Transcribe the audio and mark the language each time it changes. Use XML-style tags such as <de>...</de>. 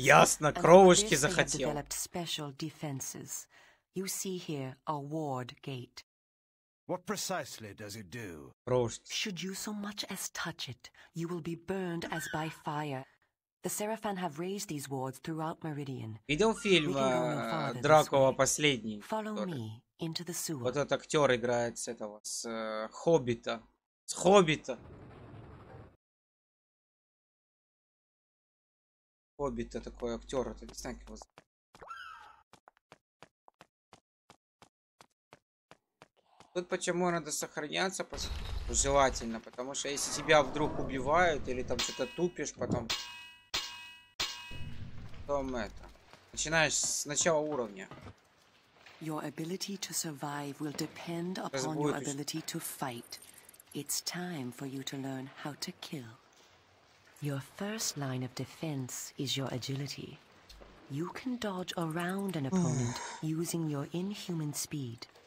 <ru>Ясно, кровушки захотел.</ru> <en>They developed special defenses. You see here a ward gate. What precisely does it do?</en> <ru>Кровушки.</ru> <en>Should you so much as touch it, you will be burned as by fire. The Seraphan have raised these wards throughout Meridian.</en> <ru>Видел фильм Дракула последний?</ru> <en>Follow me into the sewer.</en> <ru>Вот этот актер играет с этого, с Хоббита. С Хоббита. Хоббит-то такой актер, это не знаю, как его зовут. Тут почему надо сохраняться желательно, потому что если тебя вдруг убивают или там что-то тупишь, потом это. Начинаешь с начала уровня.</ru> <en>Your ability to survive will depend upon your ability to fight. It's time for you to learn how to kill. Your first line of defense is your agility. You can dodge around an opponent using your inhuman speed.</en>